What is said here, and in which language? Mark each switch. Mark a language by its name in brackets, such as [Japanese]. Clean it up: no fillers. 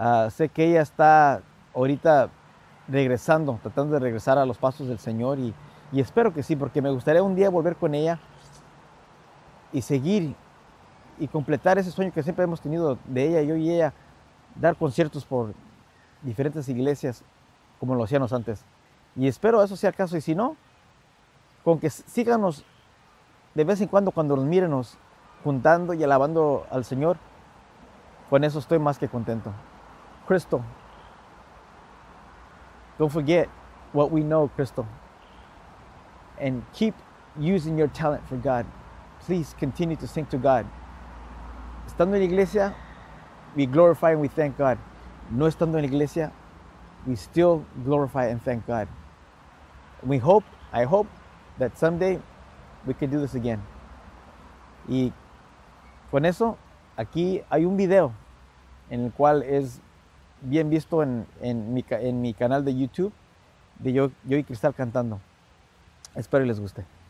[Spanish] Sé que ella está ahorita regresando, tratando de regresar a los pasos del Señor y espero que sí, porque me gustaría un día volver con ella y seguir y completar ese sueño que siempre hemos tenido de ella, yo y ella, dar conciertos por diferentes iglesias, como lo hacíamos antes. Y espero eso sea el caso. Y si no, con que síganos de vez en cuando nos mírenos juntando y alabando al Señor, con eso estoy más que contento. [English] Crystal, don't forget what we know, Crystal. And keep using your talent for God. Please continue to sing to God. [Spanish] Estando en la iglesia, [English] we glorify and we thank God. [Spanish] No estando en la iglesia, [English] we still glorify and thank God. I hope that someday we can do this again. [Spanish] Y con eso, aquí hay un video en el cual es bien visto en mi canal de YouTube de yo y Cristal cantando. Espero les guste.